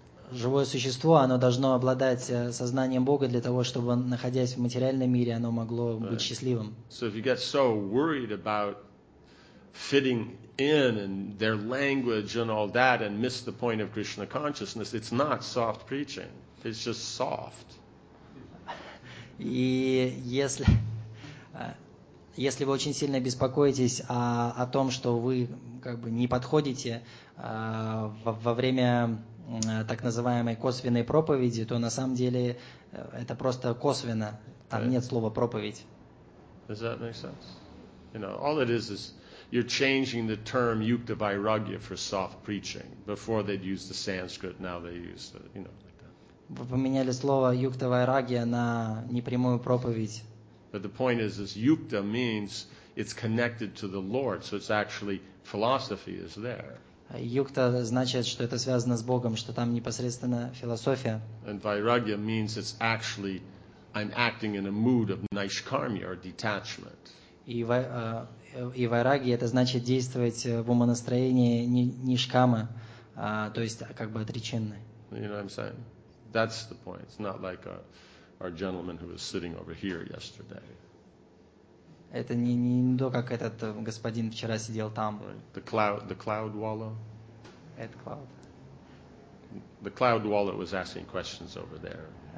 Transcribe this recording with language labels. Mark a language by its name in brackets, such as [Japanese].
[Russian] Живое существо, оно должно обладать сознанием Бога для того, чтобы, находясь в материальном мире, оно могло быть [English] right. [Russian] счастливым. [English] So if you get so worried about fitting in and their language and all that and miss the point of Krishna consciousness, it's not soft preaching. It's just soft. [Russian] И если, Если вы очень сильно беспокоитесь о том, что вы как бы не подходите во время так называемой косвенной проповеди, то на самом деле это просто косвенно. Там нет слова проповедь. [English] Does that make sense? You know, all it is you're changing the term yukta vairagya for soft preaching. Before they'd use the Sanskrit, now they use the, you know, like that. [Russian] Вы поменяли слово юкта вайрагья на непрямую проповедь. [English] But the point is yukta means it's connected to the Lord, so it's actually philosophy is there. [Russian] Yukta значит, что это связано с Богом, что там непосредственно философия. [English] And vairagya means it's actually I'm acting in a mood of naishkarmya or detachment. [Russian] И вайраги это значит действовать в умонастроении нишкама, то есть как бы отреченной. [English] You know what I'm saying? That's the point. It's not like our gentleman who was sitting over here yesterday. [Russian] Это не то, как этот господин вчера сидел там. [English] The cloud dweller. Ed cloud. The cloud dweller was asking questions over there.